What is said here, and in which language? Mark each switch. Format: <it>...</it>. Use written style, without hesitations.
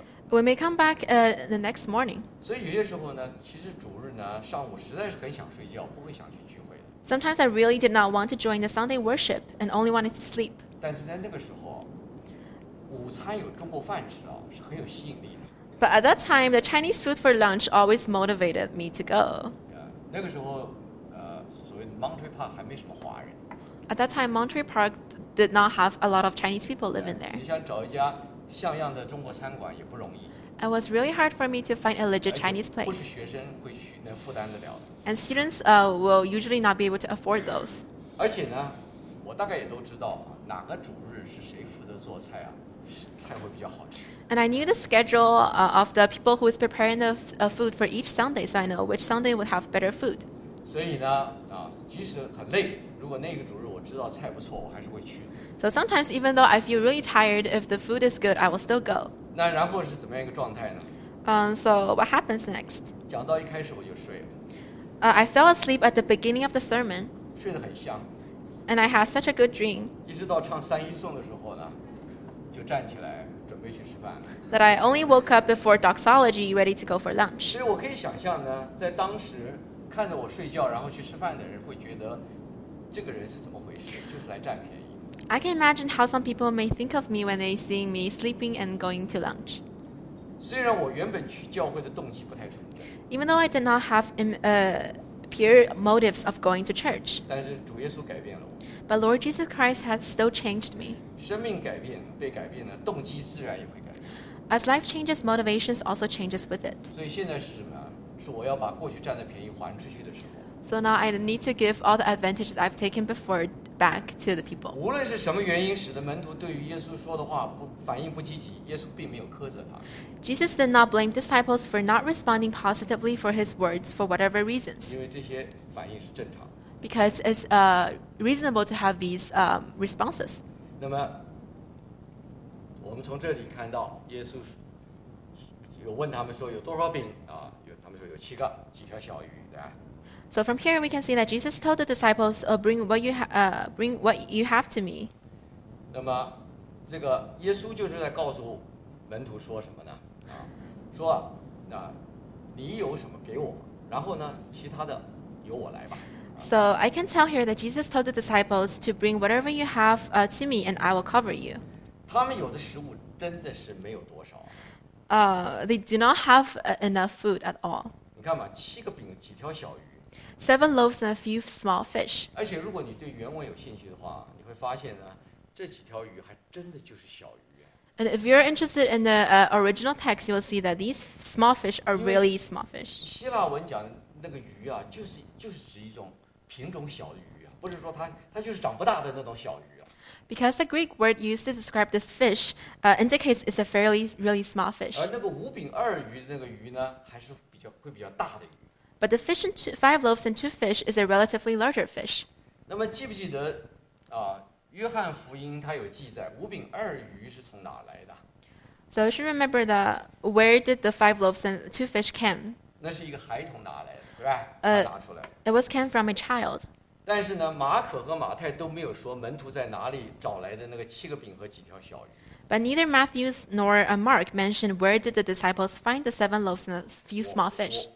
<en>We may come back the next morning.</en> <zh>所以有些时候呢，其实主日呢，上午实在是很想睡觉，不会想去聚会的。</zh> <en>Sometimes I really did not want to join the Sunday worship and only wanted to sleep.</en> <zh>但是在那个时候，午餐有中国饭吃啊，是很有吸引力的。</zh> <en>But at that time, the Chinese food for lunch always motivated me to go.</en> <zh>那个时候，所谓 Monterey Park 还没什么华人。</zh> <en>At that time, Monterey Park did not have a lot of Chinese people living there.</en> <zh>你想找一家像样的中国餐馆也不容易。</zh> <en>It was really hard for me to find a legit Chinese place.</en> <zh>不是学生会去能负担得了的。</zh> <en>And students will usually not be able to afford those.</en> <zh>而且呢，我大概也都知道哪个主日是谁负责做菜啊，菜会比较好吃。</zh> <en>And I knew the schedule of the people who is preparing the food for each Sunday, so I know which Sunday would have better food.</en> <zh>所以呢，即使很累，如果那个主日我知道菜不错，我还是会去。</zh> <en>So sometimes, even though I feel really tired, if the food is good, I will still go.</en> <zh>那然后是怎么样一个状态呢？</zh> <en>So what happens next?</en> <zh>讲到一开始我就睡了。</zh> <en>I fell asleep at the beginning of the sermon.</en> <zh>睡得很香。</zh> <en>And I had such a good dream.</en> <zh>一直到唱三一颂的时候呢，就站起来。</zh> <en>That I only woke up before doxology, ready to go for lunch.</en> <zh>所以我可以想象呢，在当时看着我睡觉然后去吃饭的人会觉得这个人是怎么回事，就是来占便宜。</zh> <en>I can imagine how some people may think of me when they see me sleeping and going to lunch.</en> <zh>虽然我原本去教会的动机不太纯正。</zh> <en>Even though I did not have pure motives of going to church.</en> <zh>但是主耶稣改变了我。</zh> <en>But Lord Jesus Christ has still changed me.</en> <zh>生命改变，被改变了，动机自然也会改变。</zh> <en>As life changes, motivations also changes with it.</en> <zh>所以现在是什么？是我要把过去占的便宜还出去的时候。</zh> <en>So now I need to give all the advantages I've taken before back to the people.</en> <zh>无论是什么原因使得门徒对于耶稣说的话不反应不积极，耶稣并没有苛责他。</zh> <en>Jesus did not blame disciples for not responding positively for his words for whatever reasons.</en> <zh>因为这些反应是正常。</zh> <en>Because it's reasonable to have these responses.</en> <zh>那么，我们从这里看到耶稣有问他们说有多少饼啊？有他们说有七个，几条小鱼，对吧？</zh> <en>So from here we can see that Jesus told the disciples, "Oh, bring what you have to me."</en> <zh>那么，这个耶稣就是在告诉门徒说什么呢？说那你有什么给我，然后呢，其他的由我来吧。</zh> <en>So I can tell here that Jesus told the disciples to bring whatever you have to me and I will cover you.</en> <zh>他们有的食物真的是没有多少。</zh> <en>They do not have enough food at all.</en> <zh>你看嘛，七个饼，几条小鱼。</zh> <en>Seven loaves and a few small fish.</en> <zh>而且如果你对原文有兴趣的话，你会发现呢，这几条鱼还真的就是小鱼。</zh> <en>And if you're interested in the original text, you will see that these small fish are really small fish.</en> <zh>希腊文讲那个鱼啊，就是指一种品种小鱼啊，不是说它就是长不大的那种小鱼啊。</zh> <en>Because the Greek word used to describe this fish, indicates it's a fairly really small fish.</en> <zh>而那个五饼二鱼那个鱼呢，还是比较大的鱼。</zh> <en>But the fish and five loaves and two fish is a relatively larger fish.</en> <zh>那么记不记得啊？约翰福音它有记载，五饼二鱼是从哪来的</zh> <en>？So you should remember that where did the five loaves and two fish come?</en> <zh>那是一个孩童拿来的。</zh> <en>It was came from a child.</en> <zh>但是呢，马可和马太都没有说门徒在哪里找来的那个七个饼和几条小鱼。</zh> <en>But neither Matthew nor Mark mentioned where did the disciples find the seven loaves and a few small fish.</en>